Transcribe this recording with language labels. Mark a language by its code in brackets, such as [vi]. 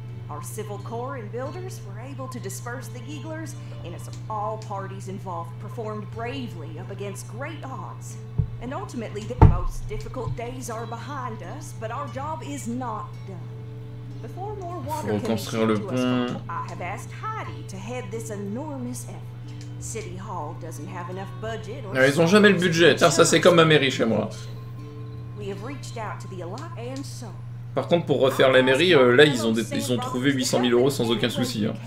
[en] Our civil corps and builders were able to disperse the Geeglers, and as all parties involved performed bravely up against great odds. And ultimately, the most difficult days are behind us, but our job is not done. Before more water can be sent to us, I have asked Heidi to head this enormous effort. City Hall doesn't have enough budget. [fr] Or ils ont jamais le budget. Tiens, ça c'est comme ma mairie chez moi. [en] We have reached out to the Alliance and so. [fr] Par contre, pour refaire la mairie, là, ils ont trouvé 800 000 euros sans aucun souci.